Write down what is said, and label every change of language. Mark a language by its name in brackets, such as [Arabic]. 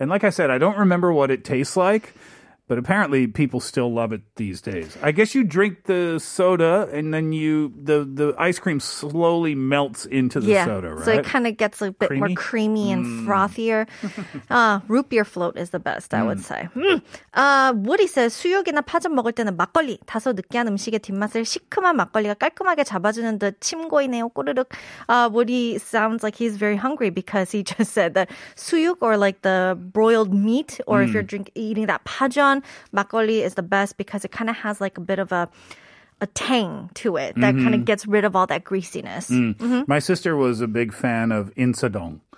[English] And like I said, I don't remember what it tastes like. But apparently people still love it these days. I guess you drink the soda and then the ice cream slowly melts into the soda, right? So it kind of gets a bit more creamy and frothier. root beer float is the best, I would say. Woody says, [Korean] 수육이나 파전 먹을 때는 막걸리. 다소 느끼한 음식의 뒷맛을 시큼한 막걸리가 깔끔하게 잡아주는 듯 침고이네요. 꼬르륵. [English] Woody sounds like he's very hungry because he just said that 수육 or like the broiled meat or if you're eating that 파전, makgeolli is the best because it kind of has like a bit of a tang to it that kind of gets rid of all that greasiness. Mm. Mm-hmm. My sister was a big fan of insadong.